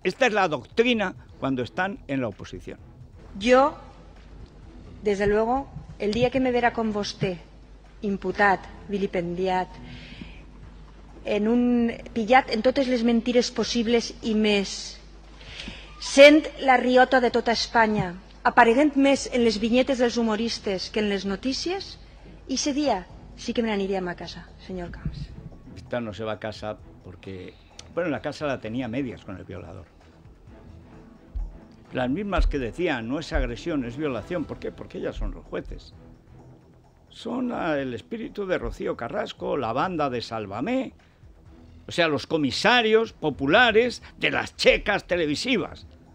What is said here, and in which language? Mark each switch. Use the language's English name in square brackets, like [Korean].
[Spanish] Esta es la doctrina cuando están en la oposición. Yo, desde luego, [Catalan] el día que me verá con vosté, imputat, vilipendiat, en un pillat en totes les mentires possibles i més, sent la riota de tota Espanya, apareguent més en les vinyetes dels humoristes que en les notícies, i ese dia sí que me n'aniríem a casa, senyor Camps. [Spanish] Esta no se va a casa porque... Bueno, la casa la tenía medias con el violador. Las mismas que decían, no es agresión, es violación. ¿Por qué? Porque ellas son los jueces. Son el espíritu de Rocío Carrasco, la banda de Sálvame. O sea, los comisarios populares de las checas televisivas.